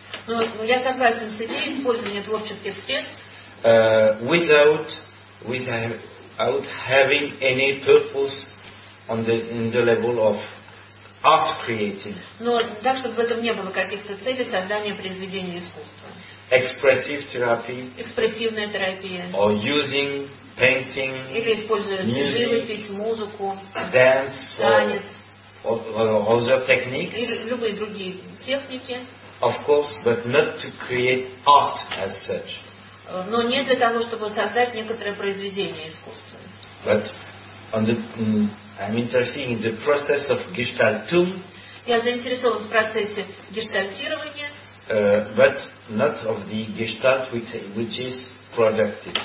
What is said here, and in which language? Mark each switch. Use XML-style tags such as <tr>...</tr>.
<ru>Но я согласен с идеей использования творческих средств.</ru> <en>Without having any purpose in the level of art creating.</en> <ru>Но так, чтобы в этом не было каких-то целей создания произведения искусства.</ru> <en>Expressive therapy.</en> <ru>Экспрессивная терапия.</ru> <en>Or using painting.</en> <ru>Или используя живопись, музыку.</ru> <en>Dance.</en> <ru>Танец.</ru> <en>Or other techniques.</en> <ru>Или любые другие техники.</ru> <en>Of course, but not to create art as such.</en> <ru>Но не для того, чтобы создать некоторое произведение искусства.</ru> <en>But on the, I'm interested in the process of гештальтум.</en> <ru>Я заинтересован в процессе гештальтирования.</ru> <en>But not of the гештальт, which is productive.</en>